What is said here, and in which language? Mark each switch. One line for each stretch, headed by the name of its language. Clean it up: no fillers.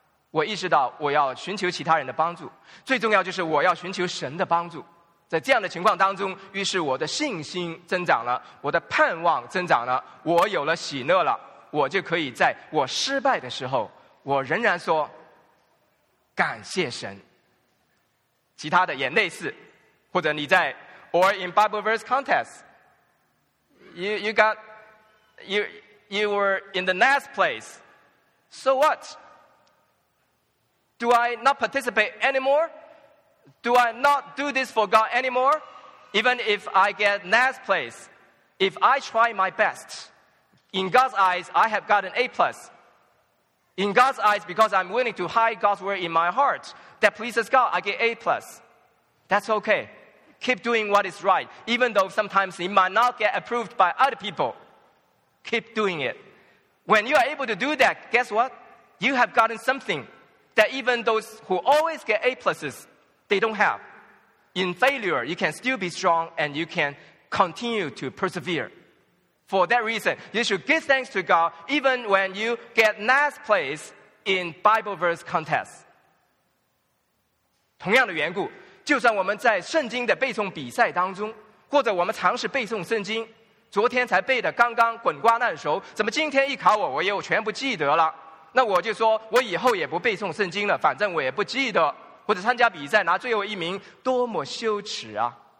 Chinese: 我意识到我要寻求其他人的帮助，最重要就是我要寻求神的帮助。在这样的情况当中，于是我的信心增长了，我的盼望增长了，我有了喜乐了，我就可以在我失败的时候，我仍然说感谢神。其他的也类似，或者你在
English: or in Bible verse contest, you were in the last place, so what? Do I not participate anymore? Do I not do this for God anymore? Even if I get last place, if I try my best, in God's eyes, I have gotten A plus. In God's eyes, because I'm willing to hide God's word in my heart, that pleases God, I get A plus. That's okay. Keep doing what is right, even though sometimes it might not get approved by other people. Keep doing it. When you are able to do that, guess what? You have gotten something that even those who always get A pluses, they don't have. In failure, you can still be strong and you can continue to persevere. For that reason, you should give thanks to God even when you get last place in Bible verse contest.
Chinese: 同样的缘故，就算我们在圣经的背诵比赛当中，或者我们尝试背诵圣经，昨天才背的刚刚滚瓜烂熟，怎么今天一考我又全部记得了，那我就说我以后也不背诵圣经了，反正我也不记得，或者参加比赛拿最后一名，多么羞耻啊！